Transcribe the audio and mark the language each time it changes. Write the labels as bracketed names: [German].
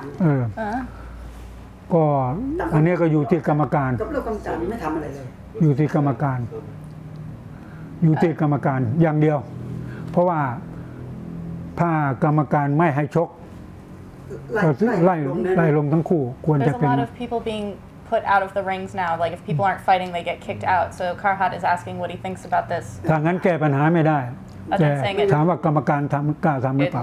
[Thai] ๆก็อันนี้ก็อยู่ที่กรรมการ กับเรื่องกรรมการไม่ทำอะไรเลย อยู่ที่กรรมการอยู่ที่กรรมการอย่างเดียวเพราะว่าถ้ากรรมการไม่ให้ชกไล่ลงทั้งคู่ควรจะเป็น [English] There's a lot of people being put out of the rings now. Like if people aren't fighting, they get kicked out. So Karhat is asking what he thinks about this. [Thai] ถ้างั้นแก้ปัญหาไม่ได้แต่ถามว่ากรรมการทำกล้าทำหรือเปล่า